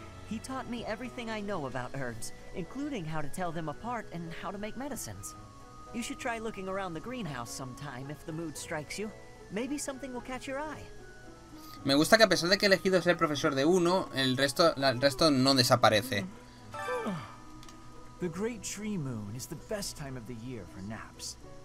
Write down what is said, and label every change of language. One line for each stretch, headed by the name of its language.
English: He taught me everything I know about herbs, including how to tell them apart and how to make medicines. You should try looking around the greenhouse sometime if the mood strikes you. Maybe something will catch your eye.
Spanish: Me gusta que a pesar de que he elegido ser profesor de uno, el resto no desaparece.
English: The great tree moon is the best time of the year for naps.